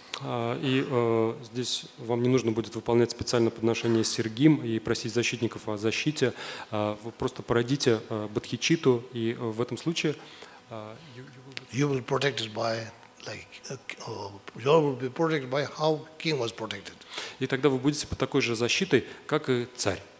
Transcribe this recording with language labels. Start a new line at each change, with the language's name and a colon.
Russian: И здесь вам не нужно будет выполнять специальное подношение сергим и просить защитников о защите. Вы просто породите бодхичитту, и в этом случае
English: you will be protected by, like, you will be protected by how king was protected.
Russian: И тогда вы будете под такой же защитой, как и царь.